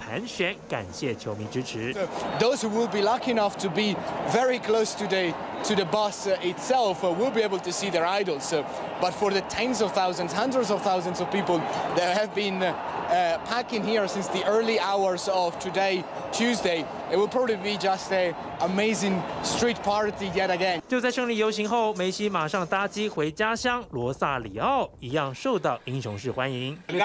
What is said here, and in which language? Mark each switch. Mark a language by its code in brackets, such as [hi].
[zh] 甚至还有疯狂球迷从天桥一跃而下跳上车，眼看场面越来越失控，车队根本没办法照原定计划抵达坊间杯，只好出动直升机把球员们载到广场上空盘旋，感谢球迷支持。 [en] Those who will be lucky enough to be very close today to the bus itself will be able to see their idols, but for the tens of thousands, hundreds of thousands of people that have been packing here since the early hours of today, Tuesday, it will probably be just an amazing street party yet again. [zh] 就在胜利游行后，梅西马上搭机回家乡罗萨里奥，一样受到英雄式欢迎。